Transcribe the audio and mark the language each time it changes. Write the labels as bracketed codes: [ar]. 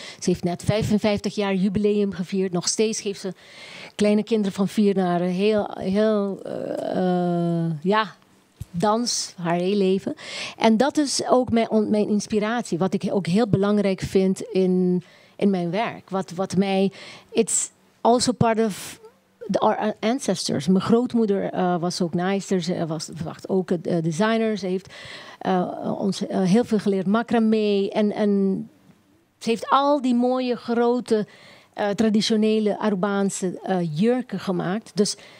[nl] Ze heeft net 55 jaar jubileum gevierd. Nog steeds geeft ze kleine kinderen van 4 naar dans haar hele leven. En dat is ook mijn inspiratie, wat ik ook heel belangrijk vind in mijn werk. Wat mij, [en] it's also part of our ancestors. [nl] Mijn grootmoeder was ook naaister. Ze was ook designer. Ze heeft ons heel veel geleerd. Macramé. En ze heeft al die mooie, grote, traditionele Arubaanse jurken gemaakt. Dus